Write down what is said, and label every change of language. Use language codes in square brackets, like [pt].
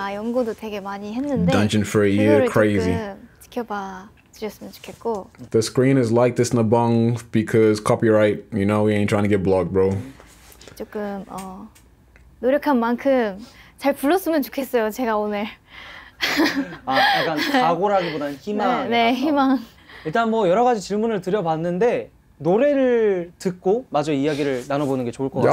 [ko] 연구도 되게 많이 했는데 [en] Dungeon for a year, crazy. [ko] 지켜봐 주셨으면 좋겠고 [en] The screen is like this, Nabong, because copyright, you know, we ain't trying to get blocked, bro. [ko] 조금 노력한 만큼 잘 불렀으면 좋겠어요, 제가 오늘. 아, 약간 각오라기보다는 희망. 네, 네, 희망. 일단 뭐 여러 가지 질문을 드려봤는데 노래를 듣고 마저 이야기를 나눠보는 게 좋을 것 같아요.